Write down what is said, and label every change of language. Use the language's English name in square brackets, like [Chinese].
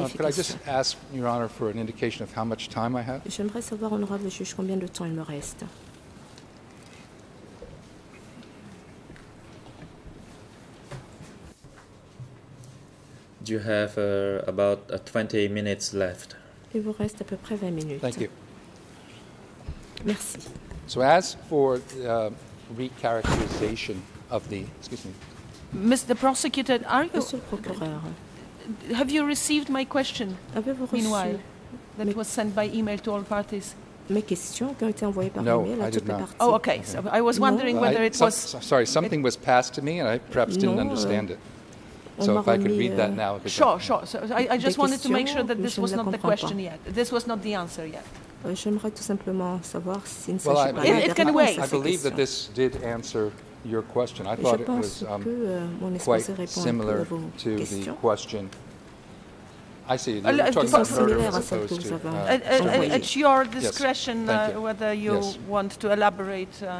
[English] all, could I just ask Your Honor for an indication of how much time I have? [French] J'aimerais savoir, honorable juge, combien de temps il me reste. [English] Do you have about 20 minutes left? [French] Il vous reste à peu près 20 minutes. [English] Thank you. [French] Merci. [English] So as for the recharacterization of the, excuse me. Mr. Prosecutor, are you? [French] Monsieur le procureur. [English] Have you received my question, meanwhile, that was sent by email to all parties? [French] mes questions qui ont été envoyées par email à toutes les parties. [English] Oh, okay. So I was wondering whether it was... Sorry, something was passed to me and I perhaps didn't understand it. So if I could read that now. Sure. So I just wanted to make sure that this was not the question yet. This was not the answer yet. [French] J'aimerais tout simplement savoir s'il ne s'agit pas de la dernière fois. [English] I believe that this did answer your question. I thought it was quite similar to the question. I see. You're talking about murder as opposed to... It's your discretion whether you want to elaborate...